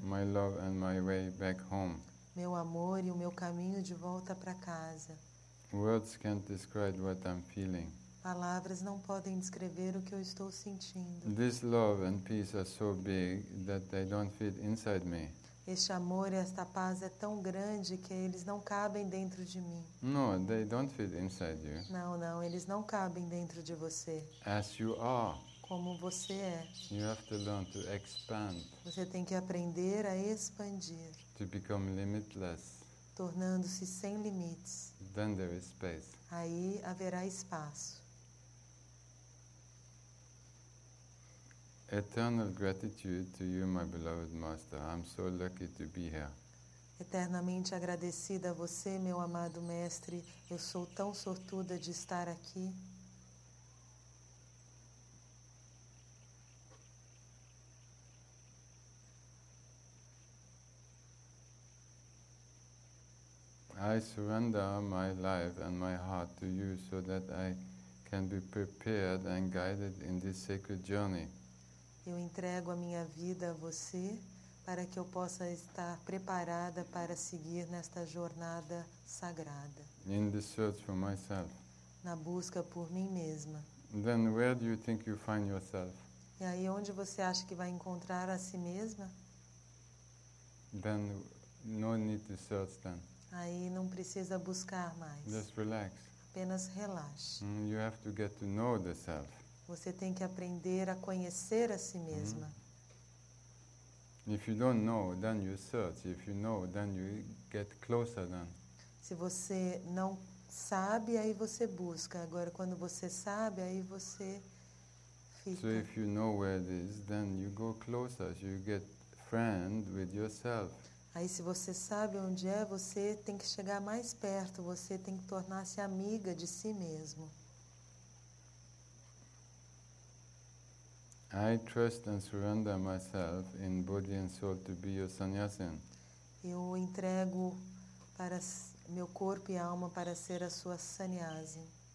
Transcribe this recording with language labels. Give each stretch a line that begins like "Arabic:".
English: My love and my way back home.
Portuguese: Meu amor e o meu caminho de volta para casa.
English: Words can't describe what I'm feeling.
Portuguese: Palavras não podem descrever o que eu estou sentindo.
English: This love and peace are so big that they don't fit inside me.
Portuguese: Este amor e esta paz é tão grande que eles não cabem dentro de mim.
English: No, they don't fit inside you.
Portuguese: Não, eles não cabem dentro de você.
English: As you are.
Portuguese: Como você é.
English: You have to learn to expand.
Portuguese: Você tem que aprender a expandir.
English: To become limitless.
Portuguese: Tornando-se sem limites.
English: Then there is space.
Portuguese: Aí haverá espaço.
English: Eternal gratitude to you, my beloved master. I'm so lucky to be here.
Portuguese: Eternamente agradecida a você, meu amado mestre. Eu sou tão sortuda de estar aqui.
English: I surrender my life and my heart to you so that I can be prepared and guided in this sacred journey.
Portuguese: Eu entrego a minha vida a você para que eu possa estar preparada para seguir nesta jornada sagrada.
English: In the search for myself.
Portuguese: Na busca por mim mesma.
English: Then where do you think you find yourself?
Portuguese: E aí onde você acha que vai encontrar a si mesma?
English: Then no need to search then.
Portuguese: Aí não precisa buscar mais.
English: Just relax.
Portuguese: Apenas relaxe.
English: Mm, you have to get to know the self.
Portuguese: Você tem que aprender a conhecer a si mesma. Mm.
English: If you don't know, then you search. If you know, then you get closer then.
Portuguese: Se você não sabe, aí você busca. Agora quando você sabe, aí você fica.
English: So if you know where it is, then you go closer. So you get friend with yourself.
Portuguese: Aí se você sabe onde é, você tem que chegar mais perto, você tem que tornar-se amiga de si mesmo.
English: I trust and surrender myself in body and soul to be your sannyasin.
Portuguese: Eu entrego para meu corpo e alma para ser a sua sannyasin.